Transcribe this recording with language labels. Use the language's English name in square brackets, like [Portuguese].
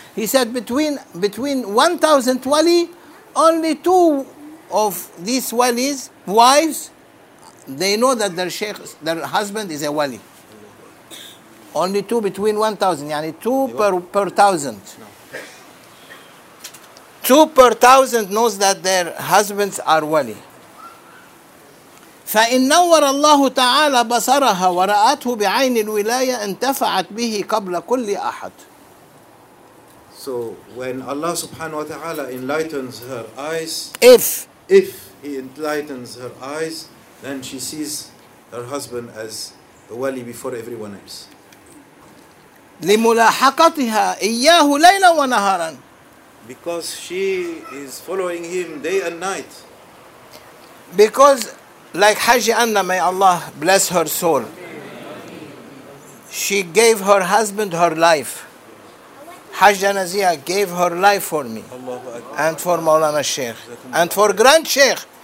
[English] He said between 1,000 wali, only two of these wali's wives, they know that their sheikh, their husband is a wali. Only two between 1,000, yani two per thousand. No. Two per thousand knows that their husbands are wali. [Arabic] فإن نور الله تعالى بصرها ورأته بعين الولاية انتفعت به قبل كل أحد. [English] So when Allah subhanahu wa ta'ala enlightens her eyes, if he enlightens her eyes, then she sees her husband as a wali before everyone else. لملاحقتها إياه ليلا ونهارا. Because she is following him day and night. Because like Hajj Anna, may Allah bless her soul, she gave her husband her life. Hajj Anna Zia gave her life for me and for Maulana Sheikh and for Grand Sheikh.